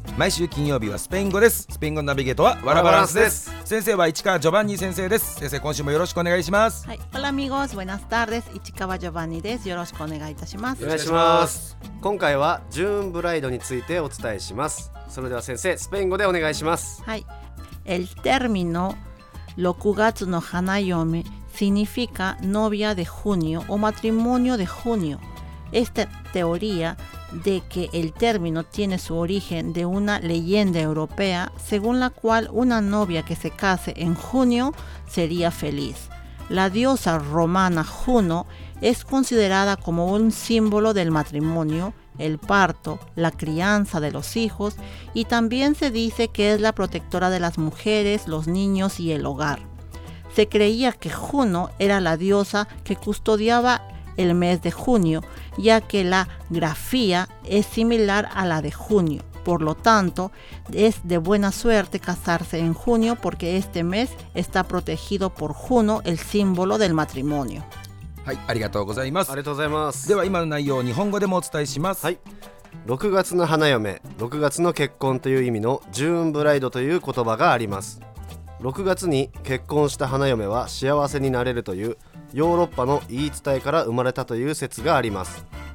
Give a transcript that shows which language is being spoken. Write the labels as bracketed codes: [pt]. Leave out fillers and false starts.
[ja] 毎週金曜日はスペイン語です。スペイン語ナビゲートはワラバランスです。先生は市川ジョバンニ先生です。先生、今週もよろしくお願いします。はい、ホラミゴーズ、ブエナスタールです。市川ジョバンニです。よろしくお願いいたします。お願いします。今回はジューンブライドについてお伝えします。それでは先生、スペイン語でお願いします。 [es] はい、el término 6月の花嫁 significa novia de junio o matrimonio de junio。 Esta teoríade que el término tiene su origen de una leyenda europea según la cual una novia que se case en junio sería feliz. La diosa romana Juno es considerada como un símbolo del matrimonio, el parto, la crianza de los hijos y también se dice que es la protectora de las mujeres, los niños y el hogar. Se creía que Juno era la diosa que custodiaba el mes de junio, ya que la grafía es similar a la de junio. Por lo tanto, es de buena suerte casarse en junio porque este mes está protegido por Juno, el símbolo del matrimonio. [ja] はい、ありがとうございます。ありがとうございます。では今の内容を日本語でもお伝えします。はい。 6月の花嫁、6月の結婚という意味のジューンブライドという言葉があります。 6月に結婚した花嫁は幸せになれるというヨーロッパの言い伝えから生まれたという説があります。